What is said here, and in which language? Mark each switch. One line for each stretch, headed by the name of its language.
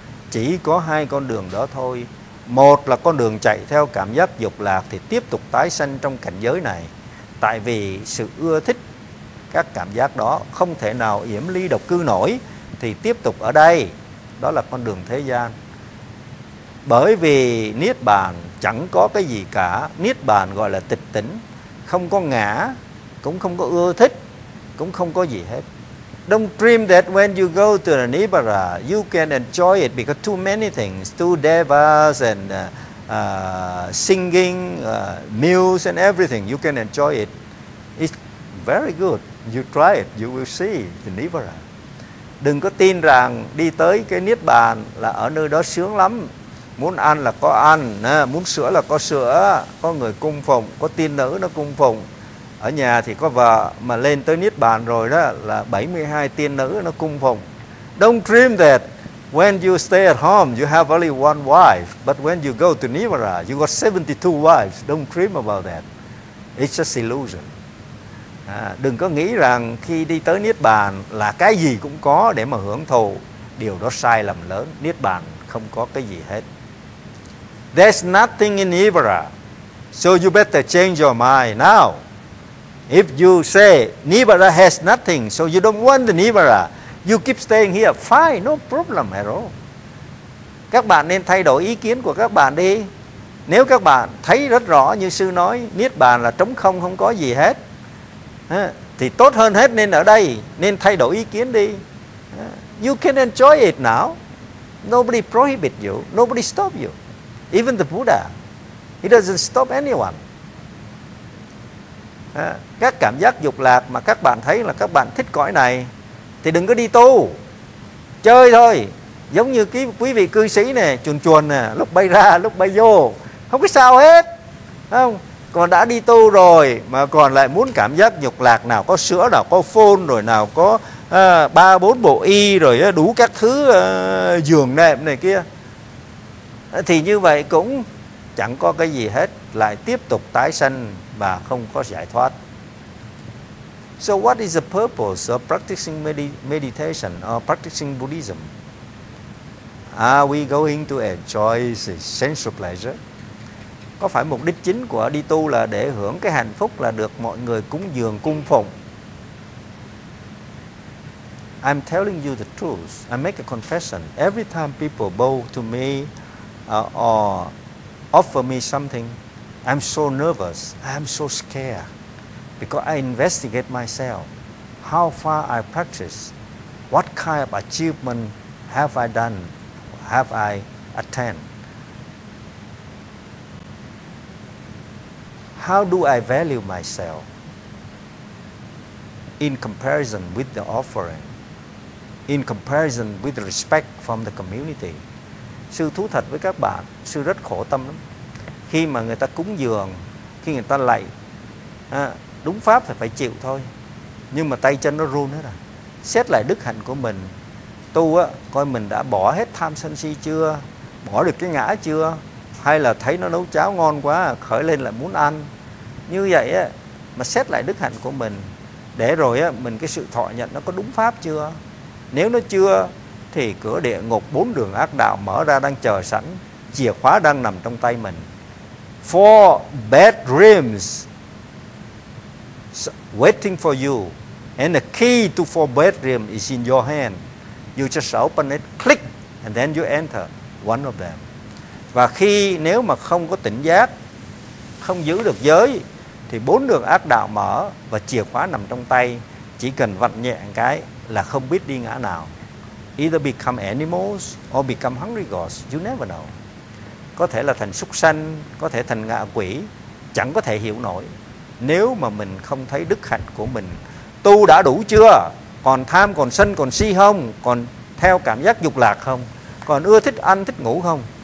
Vietnamese: Chỉ có hai con đường đó thôi. Một là con đường chạy theo cảm giác dục lạc thì tiếp tục tái sanh trong cảnh giới này, tại vì sự ưa thích các cảm giác đó không thể nào yểm ly độc cư nổi, thì tiếp tục ở đây, đó là con đường thế gian. Bởi vì niết bàn chẳng có cái gì cả, niết bàn gọi là tịch tỉnh, không có ngã, cũng không có ưa thích, cũng không có gì hết.
English: Don't dream that when you go to the Nirvana, you can enjoy it because too many things, two devas and singing, meals and everything, you can enjoy it. It's very good. You try it, you will see the Nirvana.
Vietnamese: Đừng có tin rằng đi tới cái niết bàn là ở nơi đó sướng lắm, Muốn ăn là có ăn, muốn sữa là có sữa, có người cung phụng, có tiên nữ nó cung phụng. Ở nhà thì có vợ, mà lên tới Niết Bàn rồi đó là 72 tiên nữ nó cung phụng.
English: Don't dream that when you stay at home, you have only one wife. But when you go to Nirvana, you got 72 wives. Don't dream about that. It's just illusion.
Vietnamese: Đừng có nghĩ rằng khi đi tới Niết Bàn là cái gì cũng có để mà hưởng thụ. Điều đó sai lầm lớn. Niết Bàn không có cái gì hết.
English: There's nothing in Nirvana. So you better change your mind now. If you say Nirvana has nothing, so you don't want the Nirvana, you keep staying here, fine, no problem at all.
Vietnamese: Các bạn nên thay đổi ý kiến của các bạn đi. Nếu các bạn thấy rất rõ như sư nói, Niết Bàn là trống không, không có gì hết, thì tốt hơn hết nên ở đây, nên thay đổi ý kiến đi.
English: You can enjoy it now. Nobody prohibit you. Nobody stop you. Even the Buddha, he doesn't stop anyone.
Vietnamese: Các cảm giác dục lạc mà các bạn thấy là các bạn thích cõi này, thì đừng có đi tu, chơi thôi. Giống như quý vị cư sĩ nè, chuồn chuồn nè, lúc bay ra, lúc bay vô, không có sao hết. Không, còn đã đi tu rồi mà còn lại muốn cảm giác dục lạc, nào có sữa, nào có phone, rồi nào có ba bốn bộ y, rồi đủ các thứ giường nệm này kia, thì như vậy cũng chẳng có cái gì hết, lại tiếp tục tái sanh và không có giải thoát.
English: So what is the purpose of practicing meditation or practicing Buddhism? Are we going to enjoy the sensual pleasure?
Vietnamese: Có phải mục đích chính của đi tu là để hưởng cái hạnh phúc là được mọi người cúng dường cung phụng?
English: I'm telling you the truth. I make a confession. Every time people bow to me or offer me something, I'm so nervous. I'm so scared. Because I investigate myself, how far I practice, what kind of achievement have I done, have I attained? How do I value myself in comparison with the offering, in comparison with the respect from the community?
Vietnamese: Sư thú thật với các bạn, sư rất khổ tâm lắm. Khi mà người ta cúng dường, khi người ta lạy, đúng pháp thì phải chịu thôi, nhưng mà tay chân nó run hết rồi. Xét lại đức hạnh của mình, tu á, coi mình đã bỏ hết tham sân si chưa, bỏ được cái ngã chưa, hay là thấy nó nấu cháo ngon quá khởi lên lại muốn ăn. Như vậy á, mà xét lại đức hạnh của mình, để rồi á, mình cái sự thọ nhận nó có đúng pháp chưa. Nếu nó chưa thì cửa địa ngục bốn đường ác đạo mở ra đang chờ sẵn, chìa khóa đang nằm trong tay mình.
English: Four bad dreams waiting for you, and the key to four bedroom is in your hand. You just open it, click, and then you enter one of them.
Vietnamese: Và khi nếu mà không có tỉnh giác, không giữ được giới, thì bốn đường ác đạo mở và chìa khóa nằm trong tay, chỉ cần vặn nhẹ cái là không biết đi ngã nào.
English: Either become animals or become hungry gods, you never know.
Vietnamese: Có thể là thành súc sanh, có thể thành ngạ quỷ, chẳng có thể hiểu nổi. Nếu mà mình không thấy đức hạnh của mình, tu đã đủ chưa, còn tham, còn sân, còn si không, còn theo cảm giác dục lạc không, còn ưa thích ăn, thích ngủ không.